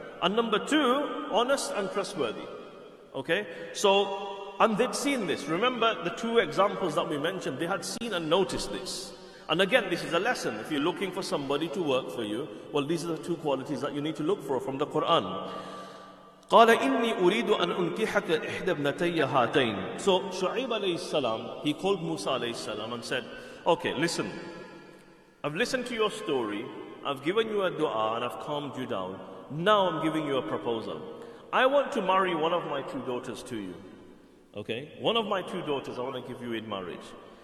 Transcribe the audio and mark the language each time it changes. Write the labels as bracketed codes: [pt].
[en] And number two, honest and trustworthy. Okay, so... And they'd seen this. Remember the two examples that we mentioned, they had seen and noticed this. And again, this is a lesson. If you're looking for somebody to work for you, well, these are the two qualities that you need to look for from the Quran. [ar] قَالَ إِنِّي أُرِيدُ أَنْ أُنْكِحَكَ إِحْدَى ابْنَتَيَّ هَاتَيْنِ. [en] So Shu'aib alayhi salam, he called Musa alayhi salam and said, okay, listen, I've listened to your story, I've given you a dua and I've calmed you down. Now I'm giving you a proposal. I want to marry one of my two daughters to you. Okay, one of my two daughters I want to give you in marriage.